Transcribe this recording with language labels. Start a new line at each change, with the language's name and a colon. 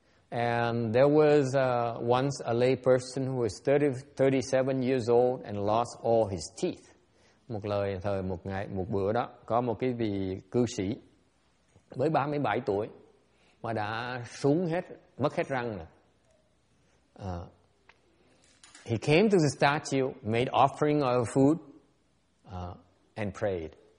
English: And there was once a lay person who was 37 years old and lost all his teeth.
Vietnamese: Một bữa đó có một cái vị cư sĩ mới 37 tuổi mà đã xuống hết, mất hết răng rồi.
English: He came to the statue, made offering of food, and prayed.